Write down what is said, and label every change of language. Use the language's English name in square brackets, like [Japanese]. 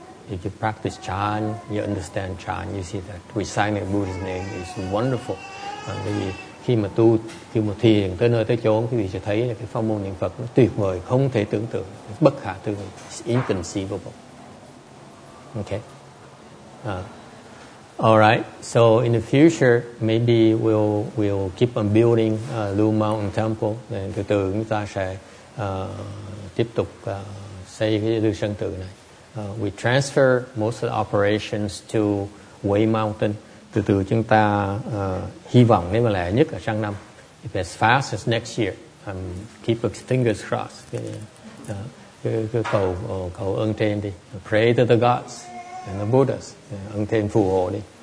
[English] If you practice chan, you understand chan, you see that reciting Buddha's name is wonderful. [Vietnamese] khi mà tu khi mà thiền tới nơi tới chốn, quý vị sẽ thấy là cái pháp môn niệm Phật nó tuyệt vời, không thể tưởng tượng, bất khả tư nghị, inconceivable. Okay. [English] Alright, so in the future, maybe we'll keep on building Lu Mountain Temple. [Vietnamese] Then, từ từ chúng ta sẽ tiếp tục xây cái Lu Sơn Tự này. [English] We transfer most of the operations to Wei Mountain. [Vietnamese] Từ từ chúng ta hy vọng nếu mà lẻ nhất là sang năm. [English] If as fast as next year, keep your fingers crossed. [Vietnamese] Cứ cầu ơn trên đi. [English] Pray to the gods. And the Buddhas, [Vietnamese] ân thêm phù hộ đi.